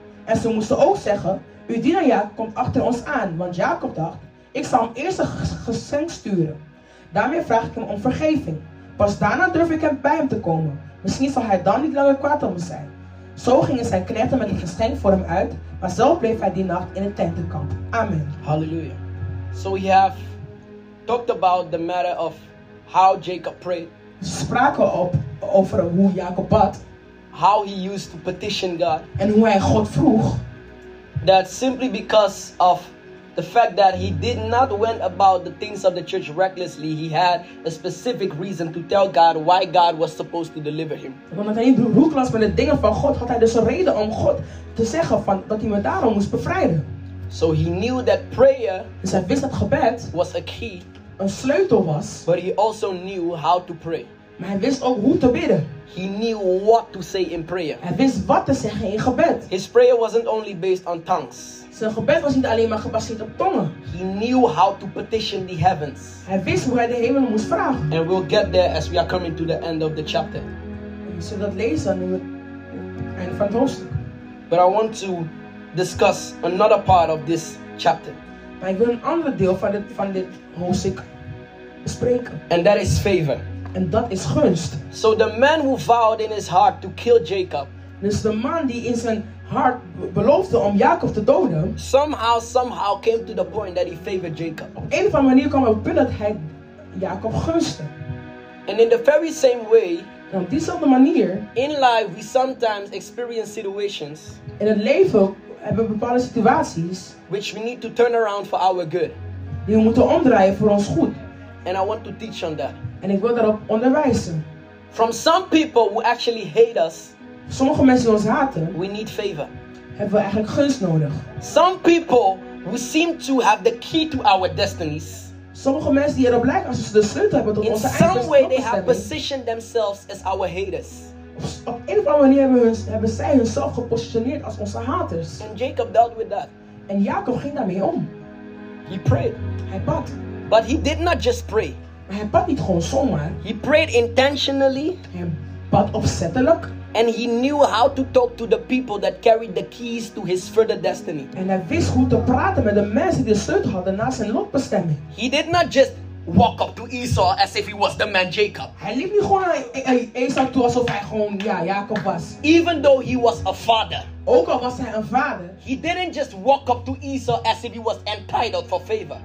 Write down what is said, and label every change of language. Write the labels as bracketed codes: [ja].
[nl] En ze moesten ook zeggen, uw dienaar Jacob komt achter ons aan, want Jacob dacht, ik zal hem eerst een geschenk sturen. Daarmee vraag ik hem om vergeving. Pas daarna durf ik hem bij hem te komen. Misschien zal hij dan niet langer kwaad om me zijn. Zo gingen zijn knechten met een geschenk voor hem uit. Maar zelf bleef hij die nacht in het tentenkamp. Amen. Halleluja. [en] So we have talked about the matter of how Jacob prayed. [nl] We spraken over hoe Jacob bad. [en] How he used to petition God. [nl] En hoe hij God vroeg. [en] That simply because of the fact that he did not went about the things of the church recklessly, he had a specific reason to tell God why God was supposed to deliver him. [nl] Omdat hij niet roekeloos met de dingen van God, had hij dus een reden om God te zeggen van dat hij me daarom moest bevrijden. [en] So he knew that prayer, [nl] dus hij wist dat gebed [en] was a key, [nl] een sleutel was. [en] But he also knew how to pray. [nl] Maar hij wist ook hoe te bidden. [en] He knew what to say in prayer. [nl] Hij wist wat te zeggen in gebed. [en] His prayer wasn't only based on tongues. [nl] Zijn gebed was niet alleen maar gebaseerd op tongen. [en] He knew how to petition the heavens. [nl] Hij wist hoe hij de hemel moest vragen. [en] And we'll get there as we are coming to the end of the chapter. [nl] We zullen dat lezen nu einde van het hoofdstuk. [en] But I want to discuss another part of this chapter. [nl] Maar ik wil een ander deel van dit hoofdstuk spreken. [en] And that is favor. [nl] En dat is gunst. [en] So the man who vowed in his heart to kill Jacob. [nl] Dus de man die in zijn hart beloofde om Jacob te doden. [en] Somehow came to the point that he favored Jacob. [nl] Op een of andere manier kwam hij op het punt dat hij Jacob gunste. [en] And in the very same way. [nl] Op diezelfde manier. [en] In life we sometimes experience situations. [nl] In het leven hebben we bepaalde situaties. [en] Which we need to turn around for our good. [nl] Die we moeten omdraaien voor ons goed. [en] And I want to teach on that. [nl] En ik wil daarop onderwijzen. [en] From some people who actually hate us. [nl] Sommige mensen die ons haten. [en] We need favor. [nl] Hebben we eigenlijk gunst nodig. [en] Some people who seem to have the key to our destinies. [nl] Sommige mensen die erop lijken alsof ze de sleutel hebben tot in onze eigen bestemming. [en] In some way they have positioned themselves as our haters. [nl] Op een of andere manier hebben zij hunzelf gepositioneerd als onze haters. [en] And Jacob dealt with that. [nl] En Jacob ging daarmee om. [en] He prayed. [nl] Hij bad. [en] But he did not just pray. [nl] Maar hij bad niet gewoon zomaar. [en] He prayed intentionally. [nl] Hij bad opzettelijk. [en] And he knew how to talk to the people that carried the keys to his further destiny. [nl] En hij wist hoe te praten met de mensen die de sleutel hadden naar zijn lotbestemming. [en] He did not just walk up to Esau as if he was the man Jacob. [nl] Hij liep niet gewoon naar Esau toe alsof hij gewoon Jacob was. [en] Even though he was a father. [nl] Ook al was hij een vader. [en] He didn't just walk up to Esau as if he was entitled for favor.